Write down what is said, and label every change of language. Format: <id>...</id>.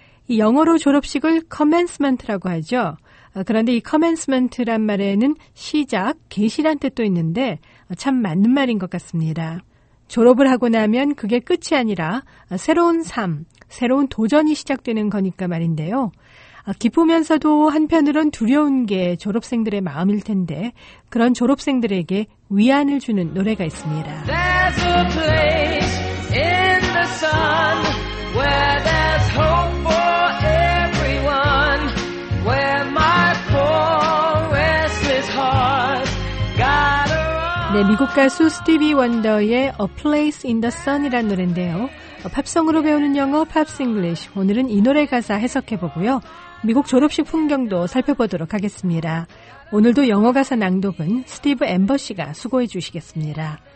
<ko>이 영어로 졸업식을 commencement라고 하죠. 그런데 이 commencement란 말에는 시작, 개시란 뜻도 있는데 참 맞는 말인 것 같습니다. 졸업을 하고 나면 그게 끝이 아니라 새로운 삶, 새로운 도전이 시작되는 거니까 말인데요. 기쁘면서도 한편으론 두려운 게 졸업생들의 마음일 텐데 그런 졸업생들에게 위안을 주는 노래가 있습니다.</ko> <en>There's a place in the sun where there's hope for everyone where my poor restless heart got a run.</en> <ko>네, 미국 가수 스티비 원더의 A Place in the Sun이란 노래인데요. 팝송으로 배우는 영어 팝스 잉글리시 오늘은 이 노래 가사 해석해보고요. 미국 졸업식 풍경도 살펴보도록 하겠습니다. 오늘도 영어 가사 낭독은 스티브 앰버 씨가 수고해 주시겠습니다.</ko>